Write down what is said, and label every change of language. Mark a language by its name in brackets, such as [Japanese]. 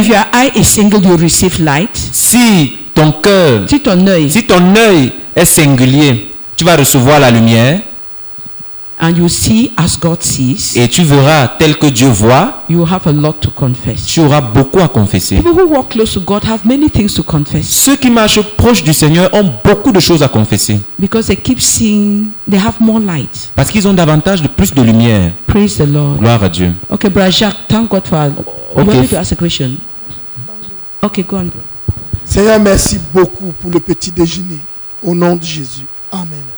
[English] If your eye is single, you receive light. [French] Si ton cœur, si ton œil est singulier, tu vas recevoir la lumière. [English] And you see as God sees. [French] Et tu verras tel que Dieu voit. [English] You have a lot to confess. [French] Tu auras beaucoup à confesser. [English] People who walk close to God have many things to confess. [French] Ceux qui marchent proche du Seigneur ont beaucoup de choses à confesser. [English] Because they keep seeing, they have more light. [French] Parce qu'ils ont davantage de plus de lumière. [English] Praise the Lord. [French] Gloire à Dieu. [English] Okay, Brother Jacques, thank God for. Okay. You want me to ask a question? Okay, go on. [French] Seigneur, merci beaucoup pour le petit déjeuner. Au nom de Jésus. Amen.